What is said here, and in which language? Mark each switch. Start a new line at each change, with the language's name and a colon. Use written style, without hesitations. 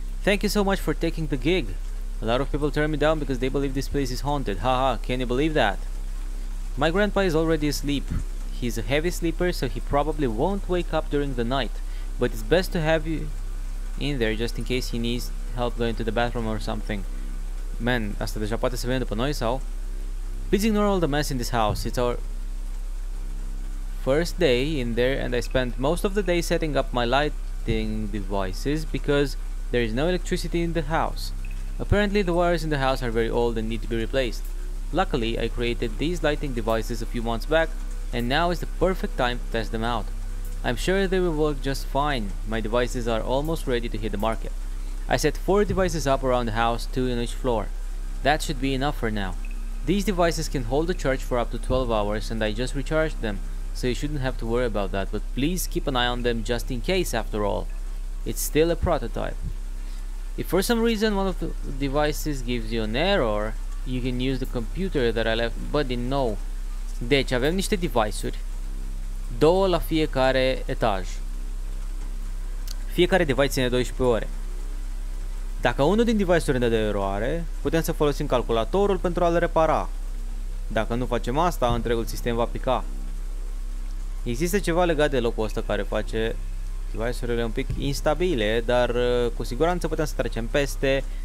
English: Thank you so much for taking the gig. A lot of people turn me down because they believe this place is haunted, haha, can you believe that? My grandpa is already asleep. He's a heavy sleeper, so he probably won't wake up during the night. But it's best to have you in there just in case he needs help going to the bathroom or something.
Romanian: Man, asta deja poate să vină după noi sau?
English: Please ignore all the mess in this house. It's our first day in there and I spent most of the day setting up my lighting devices because there is no electricity in the house. Apparently the wires in the house are very old and need to be replaced. Luckily, I created these lighting devices a few months back and now is the perfect time to test them out. I'm sure they will work just fine. My devices are almost ready to hit the market. I set 4 devices up around the house, 2 on each floor. That should be enough for now. These devices can hold a charge for up to 12 hours and I just recharged them, so you shouldn't have to worry about that, but please keep an eye on them just in case after all. It's still a prototype. If for some reason one of the devices gives you an error, you can use the computer that I left, but no.
Romanian: Deci avem niște device-uri. Două la fiecare etaj. Fiecare device ține 12 ore. Dacă unul din device-uri ne dă eroare, putem să folosim calculatorul pentru a-l repara. Dacă nu facem asta, întregul sistem va pica. Există ceva legat de locul ăsta care face device-urile un pic instabile, dar cu siguranță putem să trecem peste.